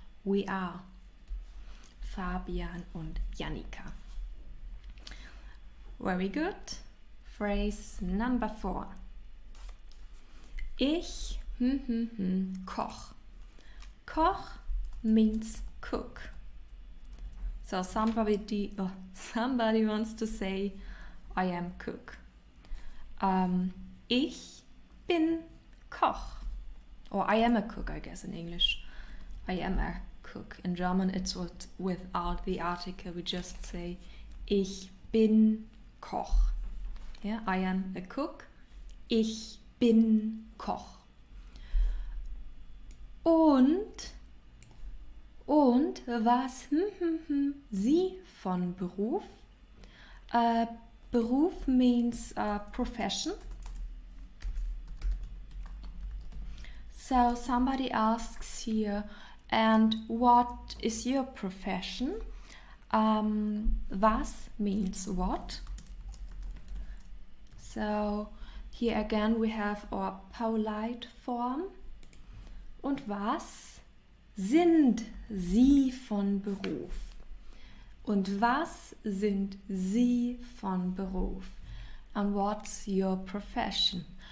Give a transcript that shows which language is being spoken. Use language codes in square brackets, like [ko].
[en] We are Fabian und Jannika. Very good. Phrase number four. [de] Ich koch. [en] Koch means cook. So somebody wants to say, I am cook. [de] Ich bin Koch. [en] Or I am a cook, I guess, in English. I am a cook. In German, it's without the article. We just say, [de] ich bin Koch. [en] Yeah, I am a cook. [de] Ich bin Koch. Und was Sie von Beruf? [en] Beruf means profession. So somebody asks here, and what is your profession? Was means what? So here again we have our polite form. [de] Und was sind Sie von Beruf? Und was sind Sie von Beruf? [en] And what's your profession?